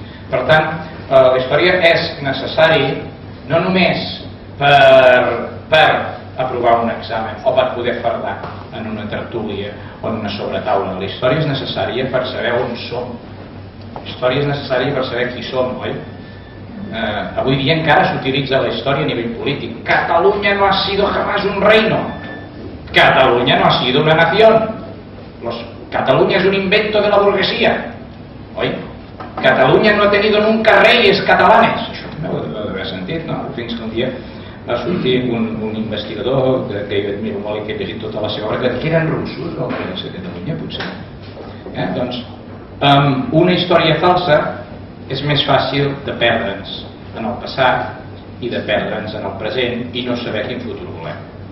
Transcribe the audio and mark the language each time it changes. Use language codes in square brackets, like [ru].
[ca] Per tant, la història és necessari no només per aprovar un examen o per poder fardar en una tertúlia o en una sobretaula. La història és necessària per saber on som. La història és necessària per saber qui som, oi? Avui dia encara s'utilitza la història a nivell polític. [es] Catalunya no ha sido jamás un reino. Catalunya no ha sido una nación. Catalunya és un invento de la burguesía. Oi? Catalunya no ha tenido nunca reyes catalanes. [ca] Això també ho heu sentit, no? Fins que un dia va sortir un investigador que jo admiro molt i que he llegit tota la seva obra, que eren russos, no? Que era Catalunya, potser. Doncs, una història falsa és més fàcil de perdre'ns en el passat i de perdre'ns en el present i no saber quin futur volem.